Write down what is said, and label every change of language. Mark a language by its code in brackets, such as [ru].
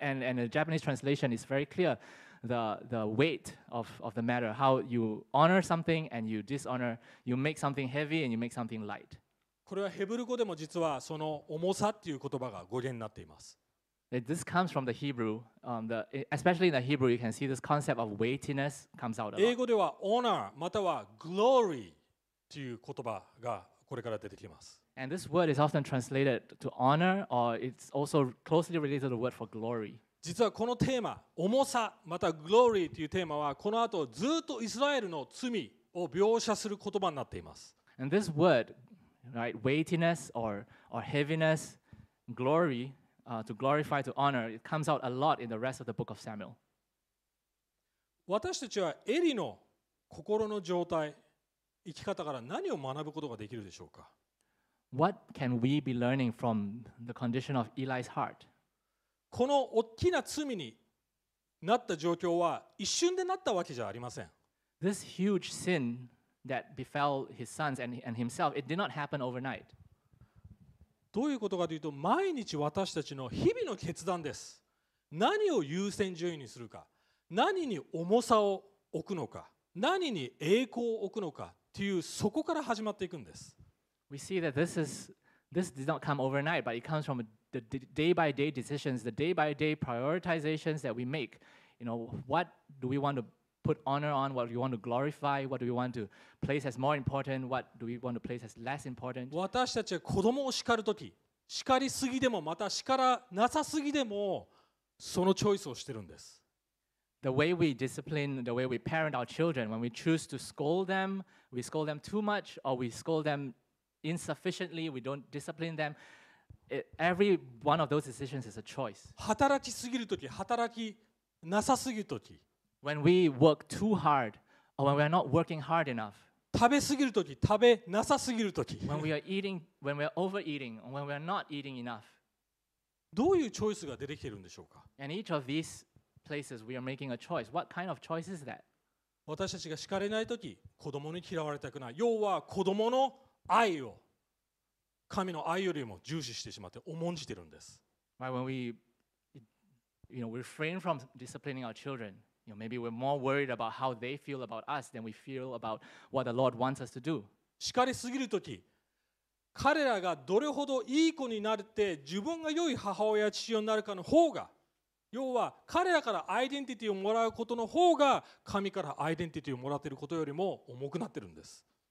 [en] And the Japanese translation is very clear, the weight of the matter, how you honor something and you dishonor, you make something heavy and you make something light. [ja] これはヘブル語でも実はその重さっていう言葉が語源になっています。 [en] This comes from the Hebrew, especially in the Hebrew, you can see this concept of weightiness comes out a lot. [ja] 英語では honor または glory という言葉がこれから出てきます。 [en] And this word is often translated to honor, or it's also closely related to the word for glory. [ja] 実はこのテーマ、重さまた glory というテーマはこの後ずっとイスラエルの罪を描写する言葉になっています。 [en] And this word, right, weightiness or heaviness, glory,to glorify, to honor, it comes out a lot in the rest of the book of Samuel. [ja] 私たちはエリの心の状態、生き方から何を学ぶことができるでしょうか。 [en] What can we be learning from the condition of Eli's heart? [ja] この大きな罪になった状況は一瞬でなったわけじゃありません。 [en] This huge sin that befell his sons and himself, it did not happen overnight. [ja] どういうことかというと、毎日私たちの日々の決断です。何を優先順位にするか、何に重さを置くのか、何に栄光を置くのかというそこから始まっていくんです。 [en] We see that this did not come overnight, but it comes from the day by day decisions, the day by day prioritizations that we make. You know, what do we want to put honor on? What do we want to glorify? What do we want to place as more important? What do we want to place as less important? [ja] 私たちは子供を叱るとき、叱りすぎでもまた叱らなさすぎでもそのチョイスをしてるんです。 [en] The way we discipline, the way we parent our children, when we choose to scold them, we scold them too much or we scold them insufficiently, we don't discipline them. Every one of those decisions is a choice. [ja] 働きすぎるとき、働きなさすぎるとき、 [en] When we work too hard, or when we are not working hard enough. [ja] 食べすぎるとき、食べなさすぎるとき。 [en] When we are eating, when we are overeating, or when we are not eating enough. [ja] どういうチョイスが出てきているんでしょうか。 [en] In each of these places, we are making a choice. What kind of choice is that? [ja] 私たちが叱れないとき、子供に嫌われたくない。要は子供の愛を、神の愛よりも重視してしまって重んじているんです。 [en] Right, when we, you know, refrain from disciplining our children. You know, maybe we're more worried about how they feel about us than we feel about what the Lord wants us to do. [ja] 叱りすぎるとき、彼らがどれほどいい子になるって、自分が良い母親や父親になるかの方が、要は彼らからアイデンティティをもらうことの方が、神からアイデンティティをもらっていることよりも重くなってるんです。